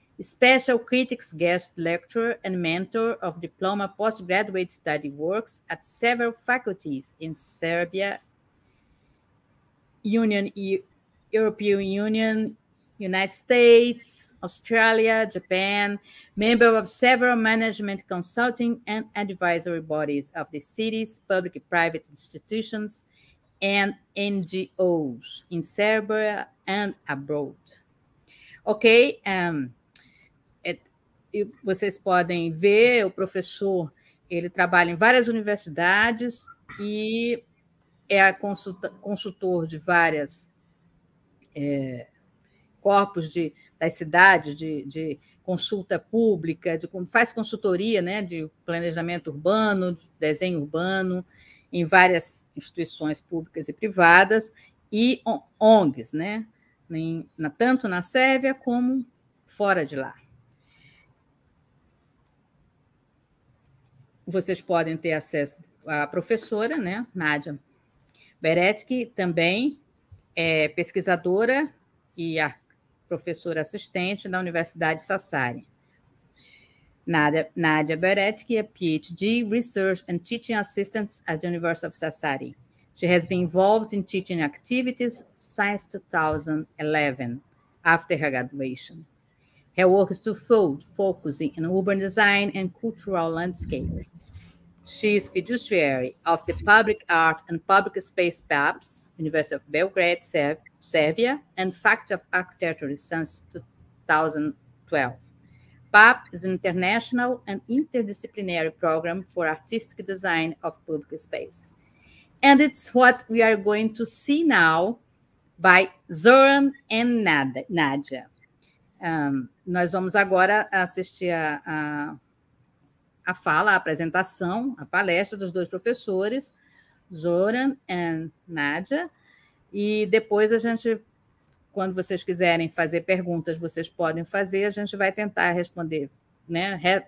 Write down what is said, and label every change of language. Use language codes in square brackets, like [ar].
[en] Special critics guest lecturer and mentor of diploma postgraduate study works at several faculties in Serbia, European Union, United States, Australia, Japan, member of several management consulting and advisory bodies of the cities, public and private institutions, and NGOs in Serbia and abroad. [pt] Ok, vocês podem ver, o professor, ele trabalha em várias universidades e é consultor de várias corpos das cidades, de consulta pública, faz consultoria, né, de planejamento urbano, de desenho urbano, em várias instituições públicas e privadas, e ONGs, né, tanto na Sérvia como fora de lá. Vocês podem ter acesso à professora, né, Nádia Beretic, também é pesquisadora e a professora assistente da Universidade Sassari. [en] Nadia Beretic, a PhD Research and Teaching Assistant at the University of Sassari. She has been involved in teaching activities since 2011, after her graduation. Her work is twofold, focusing on urban design and cultural landscape. She is fiduciary of the Public Art and Public Space PAPS, University of Belgrade, Serbia, and Faculty of Architecture since 2012. PAP is an international and interdisciplinary program for artistic design of public space. And it's what we are going to see now by Zoran and Nadia. [pt] Nós vamos agora assistir a fala, a apresentação, a palestra dos dois professores, Zoran e Nadia. E depois a gente, quando vocês quiserem fazer perguntas, vocês podem fazer, a gente vai tentar responder, né?